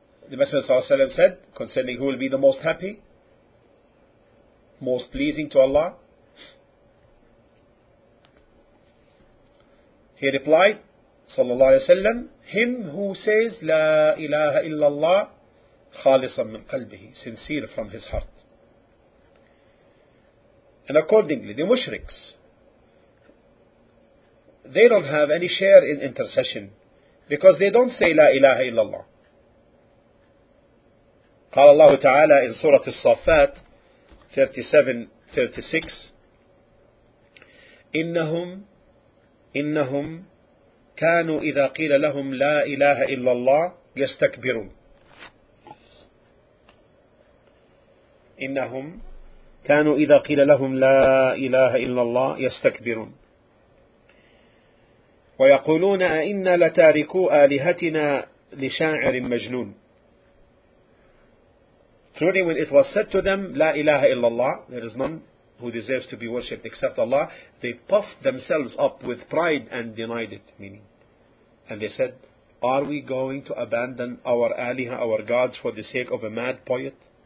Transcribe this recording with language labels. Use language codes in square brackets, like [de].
[en] The Messenger ﷺ said, concerning who will be the most happy, most pleasing to Allah, he replied, sallallahu alayhi wa sallam, him who says, la ilaha illallah, [ar] khalisan min qalbihi, [en] sincere from his heart. And accordingly, the mushriks, they don't have any share in intercession, because they don't say, la ilaha illallah. Qala Allah ta'ala in Surah As-Saffat 37-36, [ar] إنهم كانوا إذا قيل لهم لا إله إلا الله يستكبرون. إنهم كانوا إذا قيل لهم لا إله إلا الله يستكبرون. ويقولون أئنا لتاركو آلهتنا لشاعر مجنون. [en] Truly when it was said to them, لا إله إلا الله, there is none who deserves to be worshipped except Allah, they puffed themselves up with pride and denied it, meaning. And they said, are we going to abandon our aliha, our gods, for the sake of a mad poet?